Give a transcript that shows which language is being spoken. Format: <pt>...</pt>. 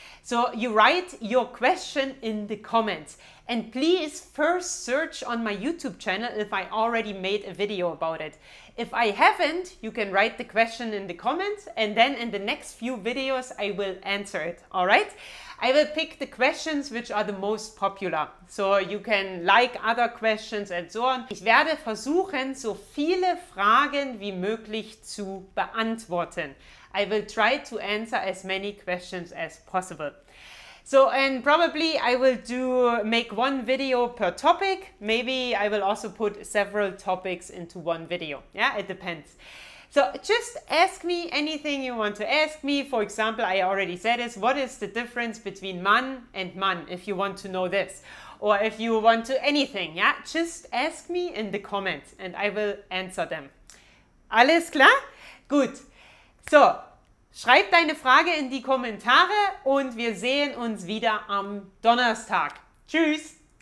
<en>So you write your question in the comments. And please first search on my YouTube channel if I already made a video about it. If I haven't, you can write the question in the comments and then in the next few videos I will answer it, all right? I will pick the questions which are the most popular. So you can like other questions and so on.</en> <de>Ich werde versuchen, so viele Fragen wie möglich zu beantworten.</de> <en>I will try to answer as many questions as possible. So, and probably I will make one video per topic. Maybe I will also put several topics into one video. Yeah, it depends. So, just ask me anything you want to ask me. For example, I already said this. What is the difference between Mann and Mann, if you want to know this? Or if you want to anything, yeah? Just ask me in the comments and I will answer them.</en> <de>Alles klar? Gut. So, schreib deine Frage in die Kommentare und wir sehen uns wieder am Donnerstag. Tschüss!</de>